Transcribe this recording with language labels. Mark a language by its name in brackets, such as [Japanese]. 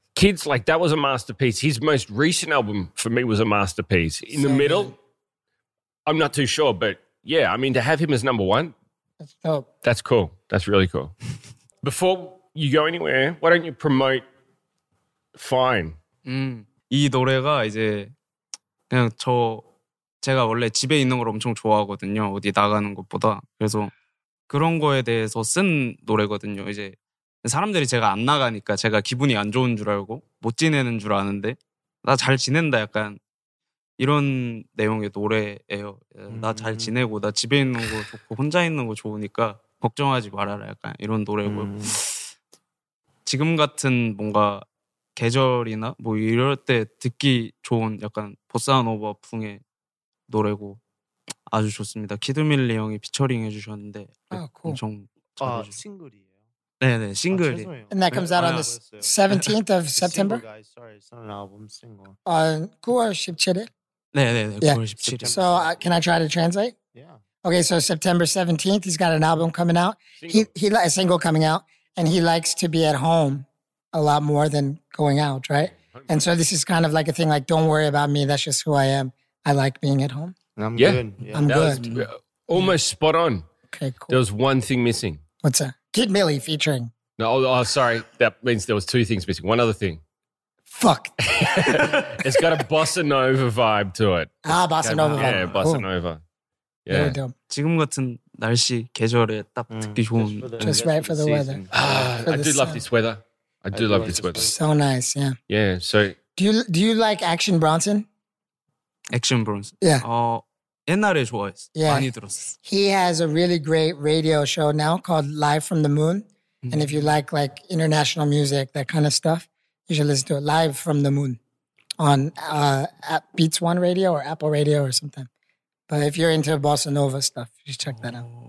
[English] Kids, like that was a masterpiece. His most recent album for me was a masterpiece. In Same. The middle, I'm not too sure, but yeah, I mean, to have him as number one, that's dope. That's cool. That's really cool. Before you go anywhere, why don't you promote Fine? [Korean] 이 노래가 이제 그냥 제가 원래 집에 있는 걸 엄청 좋아하거든요. 어디 나가는 것보다. 그래서 그런 거에 대해서 쓴 노래거든요. 이제 사람들이 제가 안 나가니까 제가 기분이 안 좋은 줄 알고 못 지내는 줄 아는데 나 잘 지낸다 약간 이런 내용의 노래예요. 나 잘 지내고 나 집에 있는 거 좋고 혼자 있는 거 좋으니까 걱정하지 말아라 약간 이런 노래고요. 지금 같은 뭔가 계절이나 뭐 이럴 때 듣기 좋은 약간 보사노바 풍의 노래고 아주 좋습니다. 키드밀리 형이 피처링 해주셨는데 엄청 잘해주셨어요. 싱글이에요? 네네 싱글이. [English] And that comes out on the 17th of September? Sorry, it's not an album, single. [Korean] 9월 17일? 네네네, 9월 17일. [English] So can I try to translate? Yeah. Okay, so September 17th, he's got an album coming out. He a single coming out, and he likes to be at home. A lot more than going out, right? And so this is kind of like a thing like, don't worry about me. That's just who I am. I like being at home. I'm good. Yeah. I'm good. Almost spot on. Okay, cool. There was one thing missing. What's that? Kid Millie featuring. No, oh, sorry. That means there was two things missing. One other thing. Fuck. It's got a bossa nova vibe to it. Ah, bossa nova vibe. Yeah, bossa nova. Yeah. Very dope. [Korean] 지금 같은 날씨, 계절에 딱 듣기 좋은. [English] Just right for the weather. I do love this weather. I do love this weather. So nice, yeah. Yeah, so. Do you like Action Bronson? Action Bronson? Yeah. [Korean] 옛날에 좋아했어. 많이 들었어. [English] He has a really great radio show now called Live from the Moon. And if you like international music, that kind of stuff, you should listen to it live from the moon on at Beats One Radio or Apple Radio or something. But if you're into bossa nova stuff, you should check that out.